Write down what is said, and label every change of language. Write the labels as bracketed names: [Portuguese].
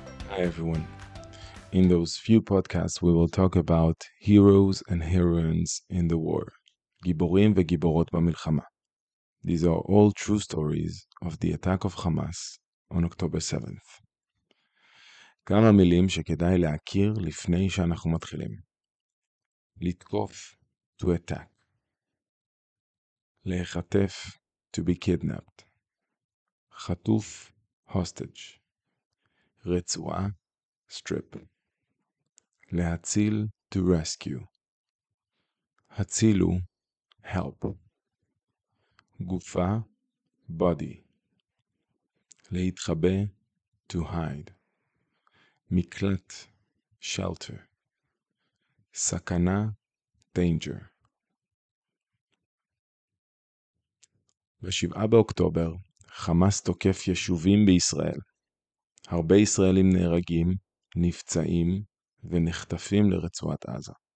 [English] Hi, everyone. In those few podcasts, we will talk about heroes and heroines in the war. [Hebrew] Giborim vegiborot b'milchama. [English] These are all true stories of the attack of Hamas on October 7th. [Hebrew] כמה מילים שכדאי להכיר לפני שאנחנו מתחילים. [English] לתקוף, to attack. להיחטף, to be kidnapped. חטוף, hostage. רצועה, strip. להציל, to rescue. הצילו, help. גופה, body. להתחבא, to hide. מקלט, shelter. סכנה, danger. [Hebrew] ב-7 באוקטובר, חמאס תוקף יישובים בישראל. הרבה ישראלים נהרגים, נפצעים ונחטפים לרצועת עזה.